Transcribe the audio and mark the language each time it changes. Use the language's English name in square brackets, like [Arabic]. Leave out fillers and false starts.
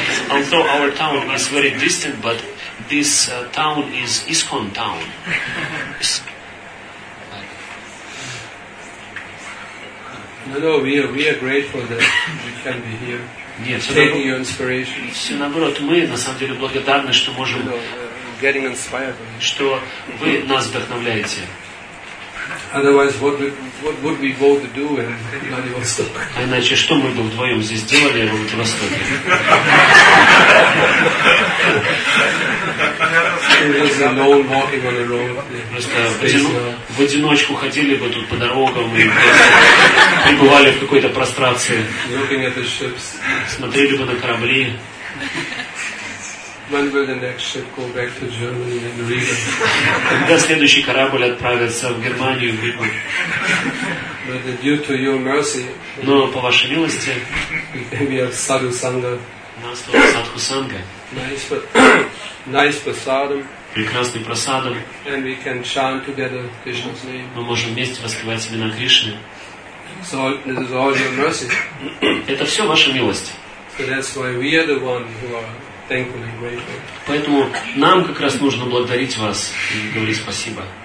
[English] Although our town is very distant, but this town is ISKCON town. No, we are grateful that we can be here. [Russian] Нет, [English] taking your inspiration. [Russian] Все наоборот, мы на самом деле благодарны, что можем, [English] getting inspired, [Russian] что вы нас вдохновляете. [English] Otherwise, what would we both do in Vladivostok? [Russian] А иначе что мы бы вдвоем здесь делали в Владивостоке? Просто в одиночку ходили бы тут по дорогам и пребывали в какой-то прострации. [English] Looking at the ships. [Russian] Смотрели бы на корабли. [English] When will the next ship go back to Germany and Riga? [Russian] Когда следующий корабль отправится в Германию, в Ригу? [English] But due to your mercy. [Russian] Но по вашей милости. [English] We have sadhu sangha. [Russian] Нас тут садху санга. [English] Nice prasadam. [Russian] Прекрасный прасадам. [English] And we can chant together Krishna's name. [Russian] Мы можем вместе воспевать имена Кришны. [English] So this is all your mercy. [Russian] Это все ваша милость. [English] So that's why we are the one who are. Thankful and grateful. [Russian] Поэтому нам как раз нужно благодарить вас и говорить спасибо.